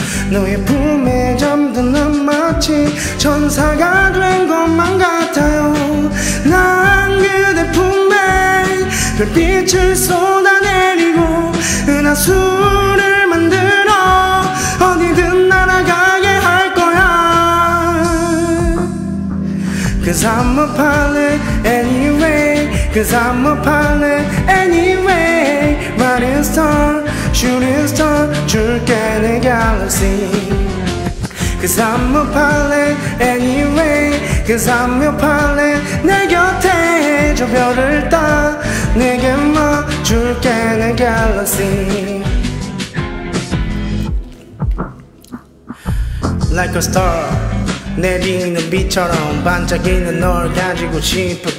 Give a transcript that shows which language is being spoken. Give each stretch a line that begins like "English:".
Korean: 너의 품에 잠든 난 마치 천사가 된 것만 같아요. 난 그대 품에 별빛을 쏟아내리고 은하수를 만들어 어디든 날아가게 할 거야.
English: 'Cause I'm a pilot anyway, 'cause I'm a pilot anyway. Riding star, shooting star,
Korean: 줄게 내
English: galaxy. 'Cause I'm a pilot anyway, 'cause I'm a pilot.
Korean: 내 곁에 저 별을 따 내게 맞줄게 내 galaxy.
English: Like a star,
Korean: 내리는 빛처럼 반짝이는 널 가지고 싶어.